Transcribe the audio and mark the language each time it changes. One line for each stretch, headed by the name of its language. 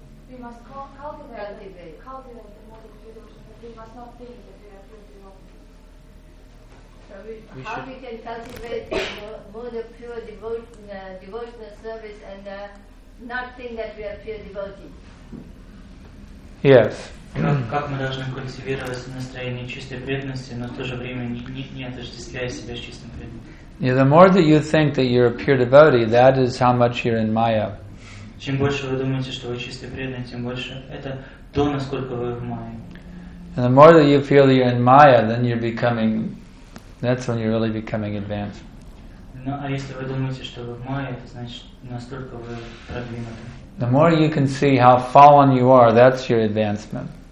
English: We must cultivate the mood of pure devotion. We must not think that we are pure devotees. So we can cultivate the mood of pure devotional service and not think that we are pure devotees. Yes.
Russian: Как мы должны культивировать настроение чистой преданности, но в то же время не отождествляя себя с чистым преданным?
English: The more that you think that you're a pure devotee, that is how much you're in Maya.
Russian: Чем больше вы думаете, что вы чистый преданный, тем больше это то, насколько вы в Майе.
English: And the more that you feel that you're in Maya, then you're becoming. That's when you're really becoming advanced.
Russian: Ну, а если вы думаете, что вы в Майе, это значит, настолько вы продвинуты.
English: The more you can see how fallen you are, that's your advancement.